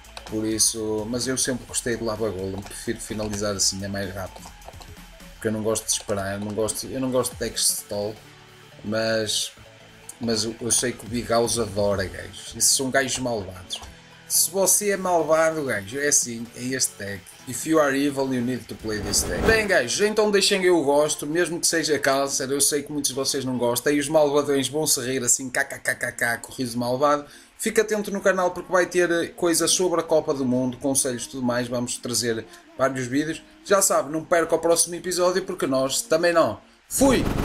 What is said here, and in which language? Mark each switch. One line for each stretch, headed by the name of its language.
Portuguese: Por isso, mas eu sempre gostei de Lava Golem, prefiro finalizar assim, é mais rápido. Porque eu não gosto de esperar, eu não gosto de decks de stall, mas. Mas eu sei que o Bigaus adora, gajos. Esses são gajos malvados. Se você é malvado, gajo, é assim, é este deck.
English: If you are evil, you need to play this deck.
Portuguese: Bem, gajos, então deixem eu gosto, mesmo que seja câncer. Eu sei que muitos de vocês não gostam. E os malvadões vão se rir assim, kkkkk, com riso malvado. Fica atento no canal porque vai ter coisas sobre a Copa do Mundo, conselhos e tudo mais. Vamos trazer vários vídeos. Já sabe, não perca o próximo episódio porque nós também não. Fui!